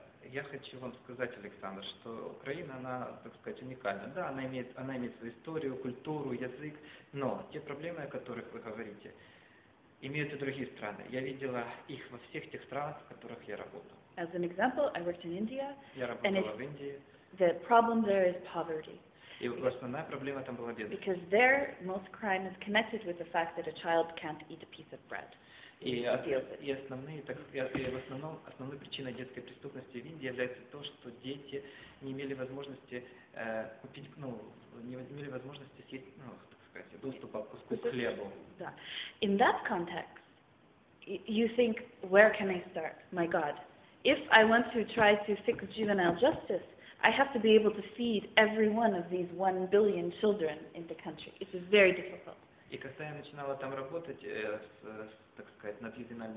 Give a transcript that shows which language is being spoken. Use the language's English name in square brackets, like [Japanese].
[Russian] Я хочу вам сказать, Александр, что Украина, она, так сказать, уникальна. Да, она имеет свою историю, культуру, язык, но те проблемы, о которых вы говорите, имеют и другие страны. Я видела их во всех тех странах, в которых я работала. [English] As an example, I worked in India. [Russian] Я работала в Индии. [English] The problem there is poverty. [Russian] И основная проблема там была бедность. [English] Because there, most crime is connected with the fact that a child can't eat a piece of bread. [Russian] И основной причиной детской преступности в Индии является то, что дети не имели возможности доступа к куску хлеба. Да. [English] In that context, you think, where can I start? My God, if I want to try to fix juvenile justice, I have to be able to feed every one of these 1 billion children in the country. It's very difficult. [Russian] И когда я начинала там работать, так сказать, над ювенальными